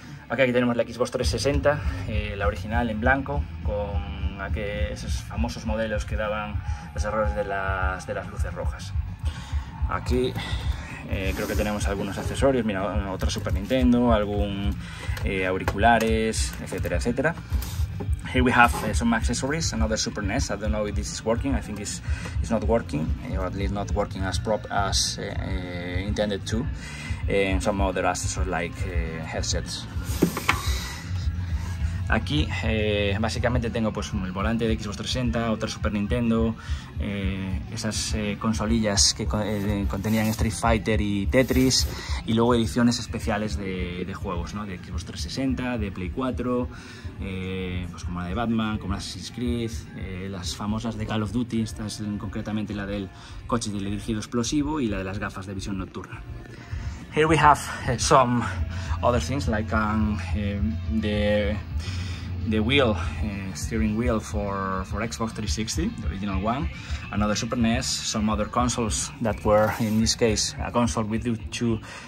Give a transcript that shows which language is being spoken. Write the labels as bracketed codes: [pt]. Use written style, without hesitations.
[es] Okay, aquí tenemos la Xbox 360, la original en blanco, con esos famosos modelos que daban los errores de las luces rojas. Aquí creo que tenemos algunos accesorios, mira, otra Super Nintendo, algún auriculares, etcétera, etcétera. [en] Here we have some accessories, another Super NES. I don't know if this is working. I think it's not working, or at least not working as intended to. And some other accessories like headsets. [es] Aquí básicamente tengo pues el volante de Xbox 360, otra Super Nintendo, esas consolillas que contenían Street Fighter y Tetris, y luego ediciones especiales de juegos, ¿no? De Xbox 360, de Play 4, pues como la de Batman, como la Assassin's Creed, las famosas de Call of Duty, esta es concretamente la del coche del dirigido explosivo y la de las gafas de visión nocturna. [en] Here we have some other things like the wheel, steering wheel for Xbox 360, the original one, another Super NES, some other consoles that were, in this case, a console with two